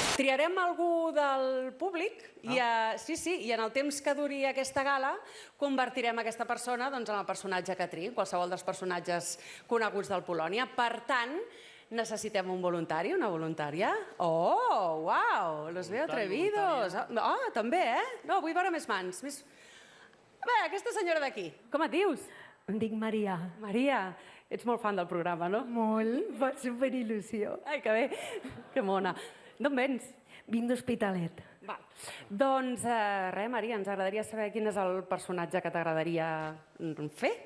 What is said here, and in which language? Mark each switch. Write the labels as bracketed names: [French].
[Catalan] triarem algú del públic i, i en el temps que duri aquesta gala convertirem aquesta persona doncs, en el personatge que triï, qualsevol dels personatges coneguts del Polònia. Per tant, necessitem un voluntari, una voluntària. [Spanish] Oh, uau, los veo atrevidos. [Catalan] Ah, oh, també, eh? No, vull veure més mans. Més... A veure, aquesta senyora d'aquí, com et dius? Em dic Maria. Maria, ets molt fan del programa, no? Molt, fa superil·lusió. Ai, que bé, que mona. D'on vens? Vinc d'Hospitalet. Val. Doncs, Maria, ens agradaria saber quin és el personatge que t'agradaria fer.